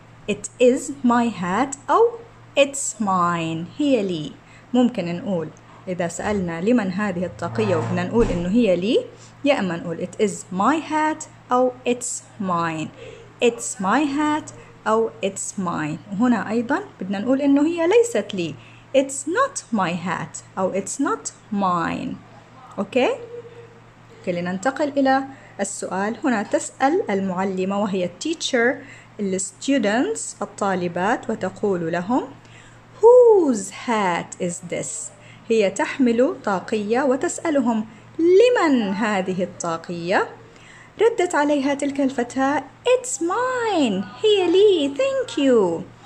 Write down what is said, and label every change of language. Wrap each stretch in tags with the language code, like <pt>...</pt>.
<en>it is my hat</en> <ar>أو</ar> <en>it's mine،</en> <ar>هي لي. ممكن نقول إذا سألنا لمن هذه الطاقية وبدنا نقول إنه هي لي، يا أما نقول</ar> <en>it is my hat</en> <ar>أو</ar> <en>it's mine. it's my hat</en> <ar>أو</ar> <en>it's mine.</en> <ar>وهنا أيضا بدنا نقول إنه هي ليست لي،</ar> <en>it's not my hat</en> <ar>أو</ar> <en>it's not mine.</en> <ar>أوكي؟ okay؟ لننتقل إلى السؤال. هنا تسأل المعلمة وهي</ar> <en>teacher the students</en> <ar>الطالبات وتقول لهم</ar> <en>whose hat is this؟</en> <ar>هي تحمل طاقية وتسألهم لمن هذه الطاقية؟ ردت عليها تلك الفتاة</ar> <en>it's mine</en> <ar>هي لي</ar> <en>thank you.</en>